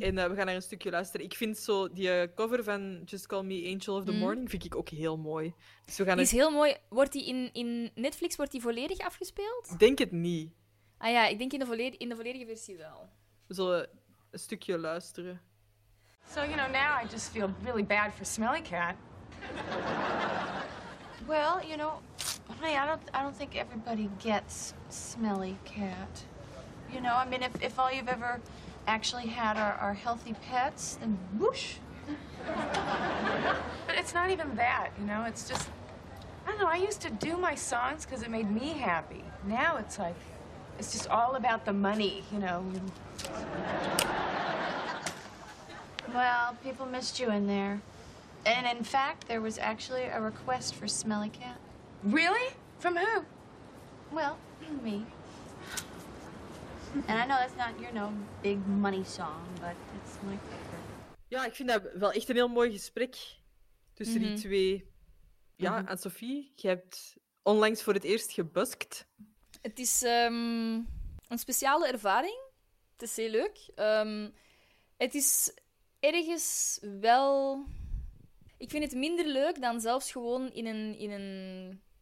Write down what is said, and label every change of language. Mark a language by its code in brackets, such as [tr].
[nl] En we gaan naar een stukje luisteren. Ik vind zo die cover van Just Call Me Angel of the Morning vind ik ook heel mooi. Dus we gaan die is heel mooi. Wordt die in Netflix wordt die volledig afgespeeld? Denk het niet. Ah ja, ik denk in de volledige versie wel. We zullen een stukje luisteren. [en] So, you know, now I just feel really bad for Smelly Cat. Well, you know... Honey, I don't think everybody gets Smelly Cat. You know, I mean, if all you've ever actually had are healthy pets, then whoosh. But it's not even that, you know? It's just, I don't know, I used to do my songs because it made me happy. Now it's like, it's just all about the money, you know? Well, people missed you in there. And in fact, there was actually a request for Smelly Cat. Really? From who? Well, me. And I know that's not, you know, big money song, but it's my favorite. [nl] Ja, ik vind dat wel echt een heel mooi gesprek tussen die twee. Ja, Anne-Sophie, je hebt onlangs voor het eerst gebuskt. Het is een speciale ervaring. Het is heel leuk. Het is ergens wel... Ik vind het minder leuk dan zelfs gewoon in een